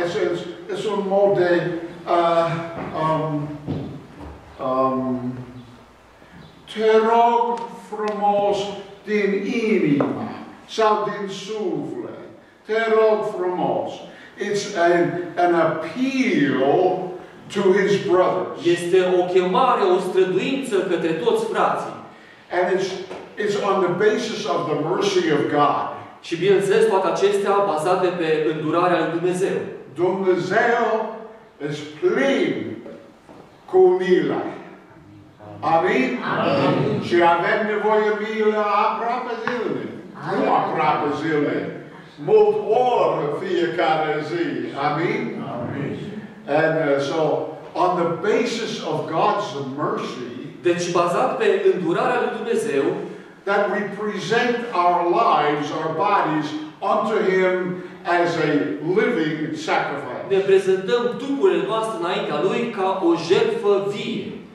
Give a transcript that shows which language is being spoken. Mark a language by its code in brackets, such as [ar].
[en] It's a mode [ro] de te rog frumos din inima sau din suflet. Te rog frumos. [en] It's an appeal to his brothers. [ro] Este o chemare, o străduință către toți frații. [en] And it's on the basis of the mercy of God. [ro] Și bineînțeles, toate acestea bazate pe îndurarea lui Dumnezeu. Dumnezeu is plin cu milă. Amin? Amin. Și avem nevoie milă aproape zilnic. Nu aproape zilnic. Mult ori fiecare zi. Amin? Amin. [en] And so, on the basis of God's mercy, [ro] deci bazat pe îndurarea lui Dumnezeu, [en] that we present our lives, our bodies, unto Him as a living sacrifice. [ro] Ne prezentăm trupurile noastre înaintea Lui ca o jertfă vie.